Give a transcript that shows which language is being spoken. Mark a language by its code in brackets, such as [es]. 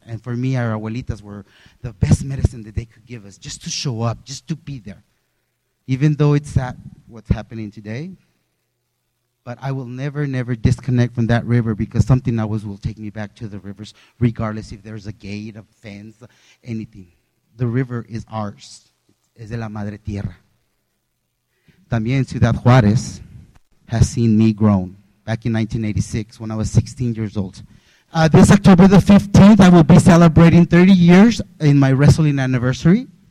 [en] And for me, our abuelitas were the best medicine that they could give us, just to show up, just to be there. Even though it's sad what's happening today, but I will never, never disconnect from that river, because something always will take me back to the rivers, regardless if there's a gate, a fence, anything. The river is ours. [es] Es de la madre tierra. También [en] Ciudad Juárez has seen me grown. Back in 1986, when I was 16 years old. This October the 15th, I will be celebrating 30 years in my wrestling anniversary.